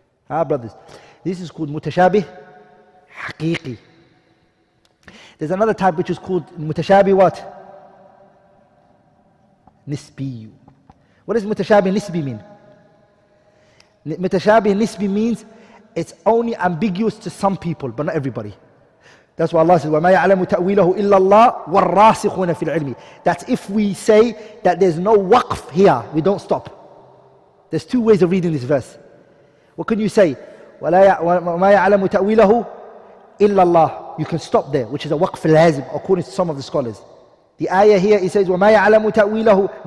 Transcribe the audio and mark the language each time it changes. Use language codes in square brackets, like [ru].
[en] Ah, brothers, this is called mutashabih haqiqi. There's another type which is called mutashabih what? Nisbi. What does mutashabih nisbi mean? Mutashabih nisbi means it's only ambiguous to some people, but not everybody. That's why Allah says, [ar] وَمَا يَعْلَمُ تَأْوِيلَهُ إِلَّا اللَّهُ وَالرَّاسِخُونَ فِي الْعِلْمِ. [en] That's if we say that there's no waqf here, we don't stop. There's two ways of reading this verse. What can you say? [ar] وَمَا يَعْلَمُ تَأْوِيلَهُ إِلَّا اللَّهُ. [en] You can stop there, which is a waqf al-hazm, according to some of the scholars. The ayah here, it says, [ar] وَمَا يَعْلَمُ تَأْوِيلَهُ.